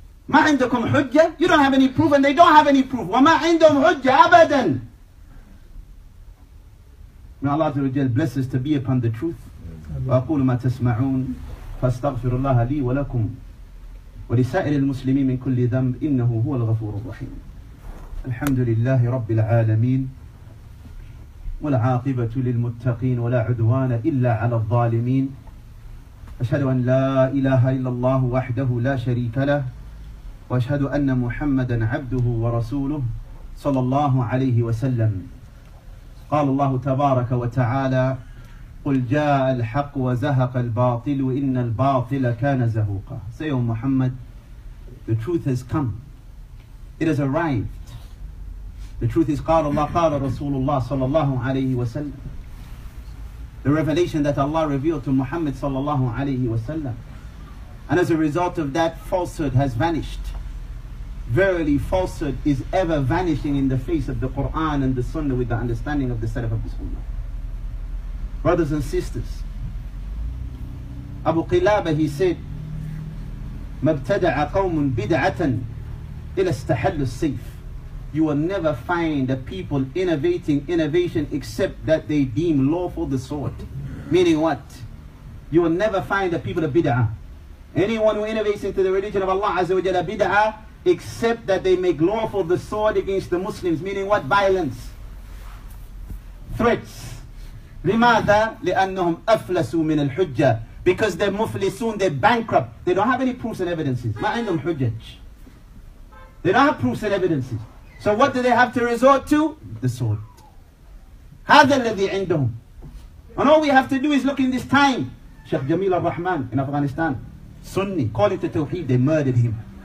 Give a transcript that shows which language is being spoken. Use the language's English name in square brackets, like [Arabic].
[Arabic] مَا عِنْدَكُمْ حُجَّةٌ. [English] You don't have any proof and they don't have any proof. [Arabic] وَمَا عِنْدَهُمْ حُجَّةٌ أَبَدًا. [English] May Allah bless us to be upon the truth. [Arabic] وَأَقُولُ مَا تَسْمَعُونَ فَاسْتَغْفِرُ اللَّهَ لِي وَلَكُمْ ولسائر المسلمين من كل ذنب إنه هو الغفور الرحيم. الحمد لله رب العالمين والعاقبة للمتقين ولا عدوان إلا على الظالمين. أشهد أن لا إله إلا الله وحده لا شريك له وأشهد أن محمدا عبده ورسوله صلى الله عليه وسلم. قال الله تبارك وتعالى قل جاء الحق وزهق الباطل إن الباطل كان زهوقا. [English] Say, O Muhammad, the truth has come. It has arrived. The truth is [Arabic] قال الله قال رسول الله صلى الله عليه وسلم. [English] The revelation that Allah revealed to Muhammad صلى الله عليه وسلم. And as a result of that, falsehood has vanished. Verily, falsehood is ever vanishing in the face of the Quran and the Sunnah with the understanding of the Salaf of the Sunnah. Brothers and sisters, Abu Qilaba, he said, [Arabic] مَبْتَدَعَ قَوْمٌ بِدْعَةً إِلَى اسْتَحَلُّ السَّيْفِ. [English] You will never find a people innovating innovation except that they deem lawful the sword. Meaning what? You will never find a people of bid'ah. Anyone who innovates into the religion of Allah Azza wa Jalla bid'ah except that they make lawful the sword against the Muslims. Meaning what? Violence. Threats. [Arabic] لماذا؟ لأنهم أفلسوا من الحجة. [English] Because they're مفلسون, they're bankrupt. They don't have any proofs and evidences. [Arabic] ما عندهم حجج. [English] They don't have proofs and evidences. So what do they have to resort to? The sword. [Arabic] هذا الذي عندهم. [English] And all we have to do is look in this time. Sheikh Jamil al-Rahman in Afghanistan. Sunni. Call it a tawheed. They murdered him.